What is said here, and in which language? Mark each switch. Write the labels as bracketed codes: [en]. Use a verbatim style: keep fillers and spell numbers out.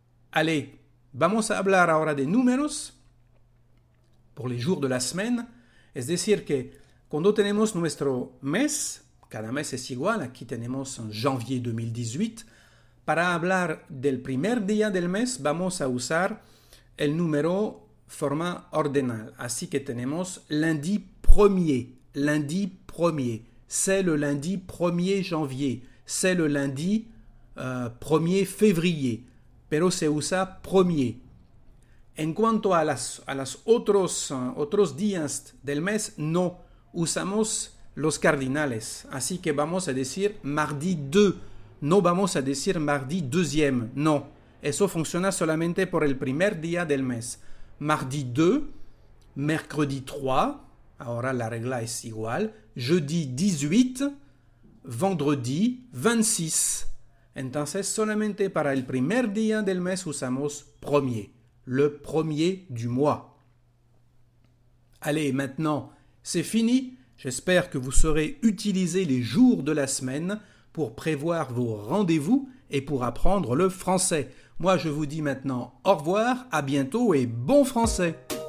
[es] Allez, vamos a hablar ahora de números por los jours de la semana. Es decir, que cuando tenemos nuestro mes, cada mes es igual, aquí tenemos en janvier dos mil dieciocho, para hablar del primer día del mes vamos a usar el número forma ordinal. Así que tenemos [fr] lundi premier, lundi premier, c'est le lundi premier janvier, c'est le lundi uh, premier février. [es] Pero se usa premier. En cuanto a los a las otros, uh, otros días del mes, no usamos los cardinales. Así que vamos a decir mardi dos. No vamos a decir mardi deuxième. No. Eso funciona solamente por el primer día del mes. Mardi dos, mercredi tres. Ahora la regla es igual. Jeudi dieciocho, vendredi veintiséis. Entonces, solamente para el primer día del mes usamos premier, [fr] le premier du mois. Allez, maintenant, c'est fini. J'espère que vous saurez utiliser les jours de la semaine pour prévoir vos rendez-vous et pour apprendre le français. Moi, je vous dis maintenant au revoir, à bientôt et bon français!